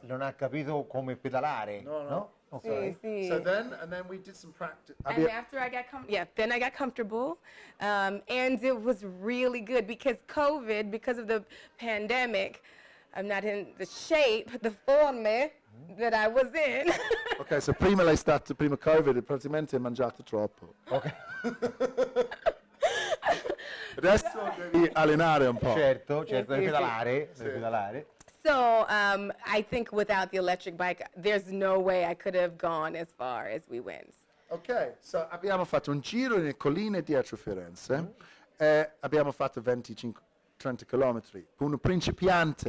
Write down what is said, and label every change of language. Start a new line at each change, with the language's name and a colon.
Italian: Non ha capito come pedalare. No. Okay. Sì, sì.
English: So then we did some practice. And after I got comfortable, and it was really good because COVID, because of the pandemic, I'm not in the shape, the forme that I was in.
Italian: Okay, so prima lei stata, prima COVID, praticamente mangiato troppo. Okay. Adesso devi allenare un po'. Certo, devi pedalare, sì. Devi pedalare.
English: So, I think without the electric bike, there's no way I could have gone as far as we went.
Italian: Okay, so abbiamo fatto un giro nelle colline dietro Firenze, e abbiamo fatto 25-30 km, un principiante.